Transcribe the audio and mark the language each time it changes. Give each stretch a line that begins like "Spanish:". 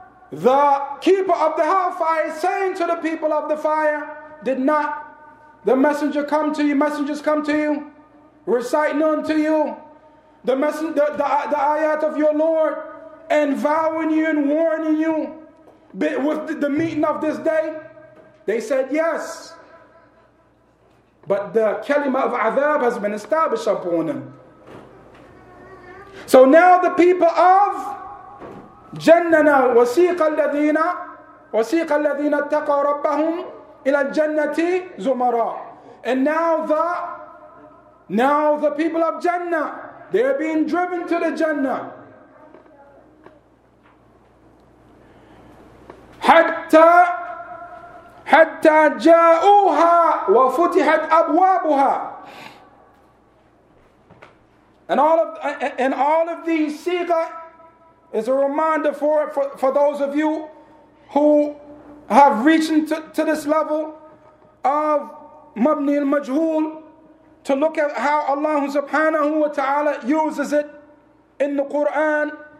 English: The keeper of the hellfire saying to the people of the fire, did not the messenger come to you, messengers come to you, reciting unto you the ayat of your Lord and vowing you and warning you with the meeting of this day? They said yes, but the kalima of azab has been established upon them. So now the people of
Arabic: جننا وسيق الذين وسيق الذين اتقوا ربهم الى الجنه زمراء.
English: And now the people of Jannah, they are being driven to the Jannah.
Arabic: حتى جاءوها وفتحت أبوابها.
English: And all of these siqa is a reminder for those of you who have reached to this level of Mabni al-Majhool, to look at how Allah subhanahu wa ta'ala uses it in the Quran.